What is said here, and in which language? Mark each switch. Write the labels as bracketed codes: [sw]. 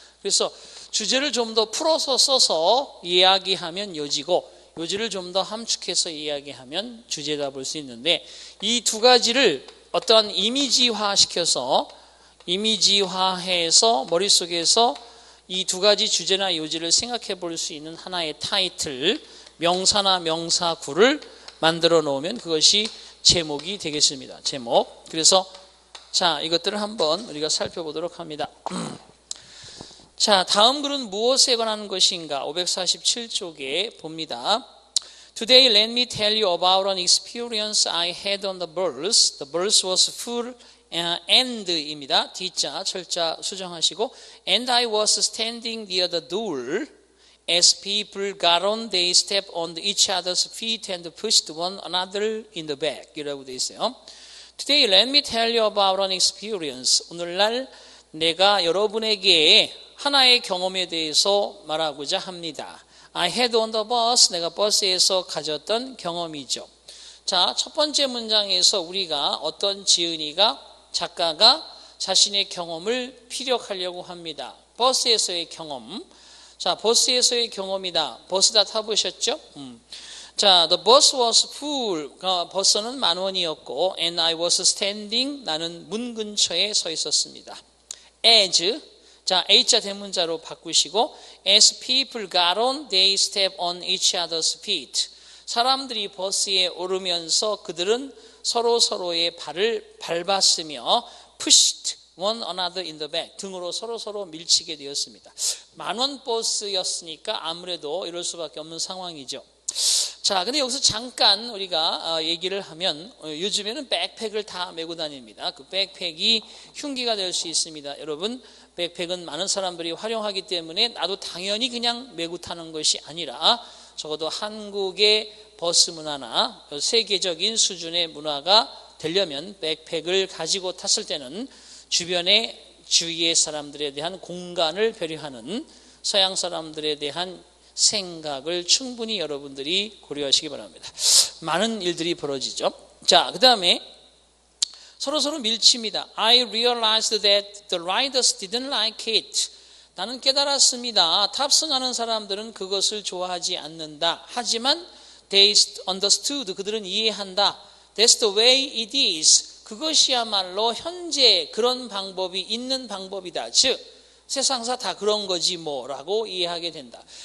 [ko] 그래서 주제를 좀더 풀어서 써서 이야기하면 요지고 요지를 좀더 함축해서 이야기하면 주제다 볼수 있는데, 이두 가지를 어떠한 이미지화 시켜서, 이미지화해서 머릿속에서 이두 가지 주제나 요지를 생각해 볼수 있는 하나의 타이틀, 명사나 명사구를 만들어 놓으면 그것이 제목이 되겠습니다. 제목. 그래서, 자, 이것들을 한번 우리가 살펴보도록 합니다. 자, 다음 글은 무엇에 관한 것인가? 547쪽에 봅니다. [en] Today, let me tell you about an experience I had on the bus. The bus was full and [ko] 입니다. D자, 철자 수정하시고. [en] And I was standing near the door. As people got on, they stepped on each other's feet and pushed one another in the back. [ko] 이라고 되어 있어요. [en] Today, let me tell you about an experience. [ko] 오늘날 내가 여러분에게 하나의 경험에 대해서 말하고자 합니다. [en] I had on the bus. [ko] 내가 버스에서 가졌던 경험이죠. 자, 첫 번째 문장에서 우리가 어떤 지은이가 작가가 자신의 경험을 피력하려고 합니다. 버스에서의 경험. 자, 버스에서의 경험이다. 버스 다 타보셨죠? [en] The bus was full. [ko] 버스는 만원이었고, [en] and I was standing. [ko] 나는 문 근처에 서 있었습니다. [en] As. [ko] 자, H자 대문자로 바꾸시고, [en] as people got on, they stepped on each other's feet. [ko] 사람들이 버스에 오르면서 그들은 서로 서로의 발을 밟았으며, [en] pushed one another in the back. [ko] 등으로 서로 서로 밀치게 되었습니다. 만원 버스였으니까 아무래도 이럴 수밖에 없는 상황이죠. 자, 근데 여기서 잠깐 우리가 얘기를 하면 요즘에는 백팩을 다 메고 다닙니다. 그 백팩이 흉기가 될 수 있습니다. 여러분, 백팩은 많은 사람들이 활용하기 때문에 나도 당연히 그냥 메고 타는 것이 아니라 적어도 한국의 버스 문화나 세계적인 수준의 문화가 되려면 백팩을 가지고 탔을 때는 주변의 주위의 사람들에 대한 공간을 배려하는 서양 사람들에 대한 생각을 충분히 여러분들이 고려하시기 바랍니다. 많은 일들이 벌어지죠. 자, 그 다음에 서로서로 밀칩니다. [en] I realized that the riders didn't like it. [ko] 나는 깨달았습니다. 탑승하는 사람들은 그것을 좋아하지 않는다. 하지만 [en] they understood. [ko] 그들은 이해한다. [en] That's the way it is. [ko] 그것이야말로 현재 그런 방법이 있는 방법이다. 즉, 세상사 다 그런 거지 뭐라고 이해하게 된다.